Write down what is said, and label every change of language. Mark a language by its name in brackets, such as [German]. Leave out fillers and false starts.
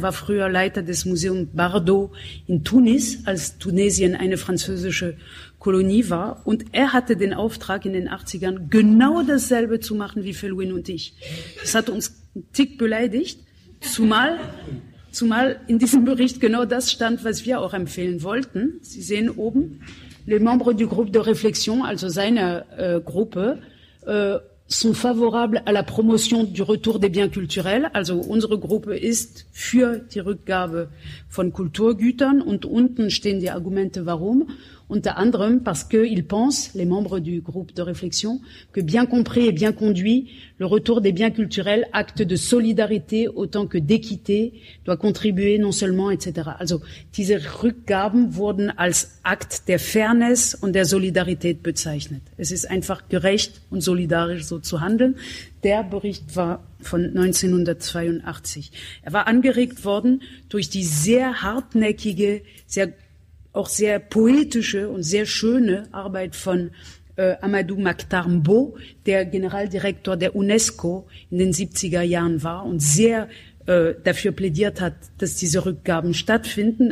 [German] Er war früher Leiter des Museums Bardot in Tunis, als Tunesien eine französische Kolonie war. Und er hatte den Auftrag in den 80ern, genau dasselbe zu machen wie Felouin und ich. Das hat uns einen Tick beleidigt, zumal in diesem Bericht genau das stand, was wir auch empfehlen wollten. Sie sehen oben, [French] les membres du groupe de réflexion, [German] also seiner Gruppe, [French] sont favorables à la promotion du retour des biens culturels. [German] Also unsere Gruppe ist für die Rückgabe von Kulturgütern. Und unten stehen die Argumente, warum. Unter anderem, [French] parce que ils pensent, les membres du groupe de réflexion, que bien compris et bien conduit, le retour des biens culturels, acte de solidarité autant que d'équité, doit contribuer non seulement, etc. [German] Also, diese Rückgaben wurden als Akt der Fairness und der Solidarität bezeichnet. Es ist einfach gerecht und solidarisch, so zu handeln. Der Bericht war von 1982. Er war angeregt worden durch die sehr hartnäckige, sehr auch sehr poetische und sehr schöne Arbeit von Amadou Maktar Mbo, der Generaldirektor der UNESCO in den 70er Jahren war und sehr dafür plädiert hat, dass diese Rückgaben stattfinden.